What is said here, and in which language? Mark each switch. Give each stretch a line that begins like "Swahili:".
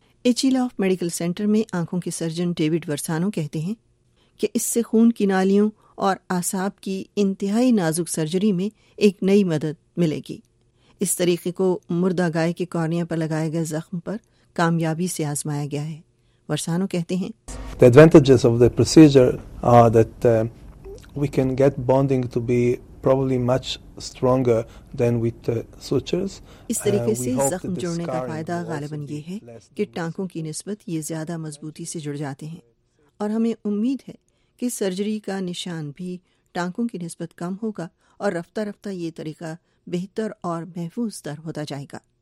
Urdu: ایچیلا of medical centre میں آنکھوں کے سرجن ڈیوڈ ورسانو کہتے ہیں کہ اس سے خون کی نالیوں اور اعصاب کی انتہائی نازک سرجری میں ایک نئی مدد ملے گی. اس طریقے کو مردہ گائے کے کارنیا پر لگائے گئے زخم پر کامیابی سے آزمایا گیا ہے. ورسانو کہتے ہیں
English: The advantages of the procedure are that we can get bonding to be probably much stronger than with sutures.
Urdu: اس طریقے سے زخم جوڑنے کا فائدہ غالباً یہ ہے کہ ٹانکوں کی نسبت یہ زیادہ مضبوطی سے جڑ جاتے ہیں اور ہمیں امید ہے کہ سرجری کا نشان بھی ٹانکوں کی نسبت کم ہوگا اور رفتہ رفتہ یہ طریقہ بہتر اور محفوظ تر ہوتا جائے گا.